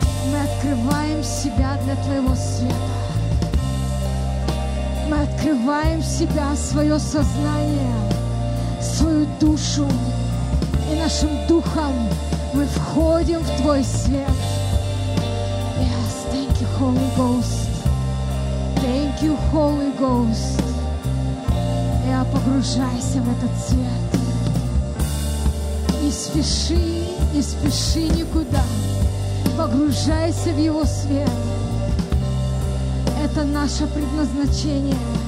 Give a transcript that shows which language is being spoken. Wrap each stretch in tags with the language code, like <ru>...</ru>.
<ru>Мы открываем себя для Твоего света. Мы открываем себя, свое сознание, свою душу. И нашим духом мы входим в Твой свет.</ru> <en>Yes, thank you, Holy Ghost. Thank you, Holy Ghost.</en> <ru>Я погружайся в этот свет. Не спеши никуда. Погружайся в Его свет. Это наше предназначение.</ru>